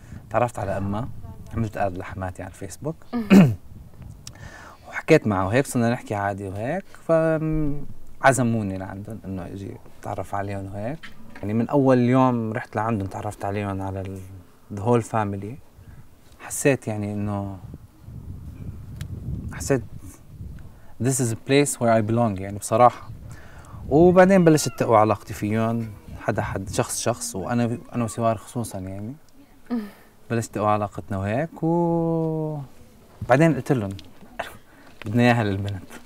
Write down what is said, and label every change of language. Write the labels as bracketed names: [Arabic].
[Arabic] تعرفت على امها، عملت اد لحماتي على الفيسبوك وحكيت معها وهيك، صرنا نحكي عادي وهيك. فعزموني لعندهم انه اجي اتعرف عليهم وهيك. يعني من اول يوم رحت لعندهم تعرفت عليهم على [English] the whole family. [Arabic] حسيت يعني حسيت [English] This is a place where I belong [Arabic] يعني بصراحة. وبعدين بلشت تقوى علاقتي فيهم حد شخص، وأنا وسوار خصوصا يعني بلشت تقوى علاقتنا وهيك. وبعدين قلت لهم بدنا إياها للبنت.